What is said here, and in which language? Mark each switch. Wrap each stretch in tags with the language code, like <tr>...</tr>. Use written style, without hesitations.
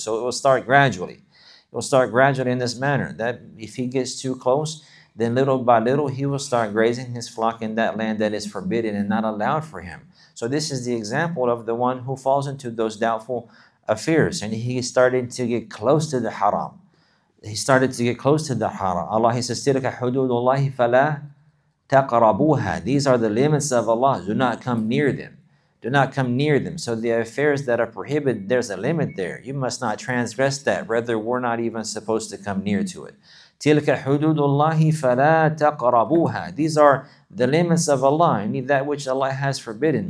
<en>So it will start gradually. It will start gradually in this manner, that if he gets too close, then little by little, he will start grazing his flock in that land that is forbidden and not allowed for him. So this is the example of the one who falls into those doubtful affairs, and he is starting to get close to the haram. Allah, he says,</en> <ar>تِلْكَ حُدُودُ اللَّهِ فَلَا تَقْرَبُوهَا.</ar> <en>These are the limits of Allah. Do not come near them. So the affairs that are prohibited, there's a limit there. You must not transgress that. Rather, we're not even supposed to come near to it.</en> <ar>تِلْكَ حُدُودُ اللَّهِ فَلَا تَقْرَبُوهَا.</ar> <en>These are the limits of Allah. Any that which Allah has forbidden.</en>